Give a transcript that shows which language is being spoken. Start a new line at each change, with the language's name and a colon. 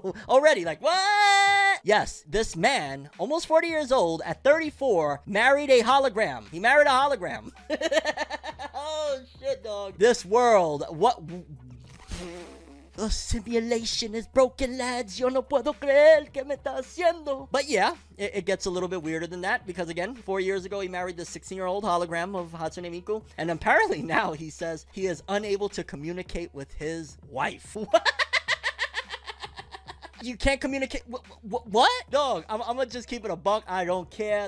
English: Already, like, what? Yes, this man, almost 40 years old, at 34, married a hologram. He married a hologram. Oh, shit, dog. This world, what? The simulation is broken, lads.
Spanish: Yo no puedo creer que me está haciendo.
English: But yeah, it gets a little bit weirder than that because, again, 4 years ago, he married the 16-year-old hologram of Hatsune Miku. And apparently now he says he is unable to communicate with his wife. You can't communicate. What? Dog, I'm gonna just keep it a buck. I don't care.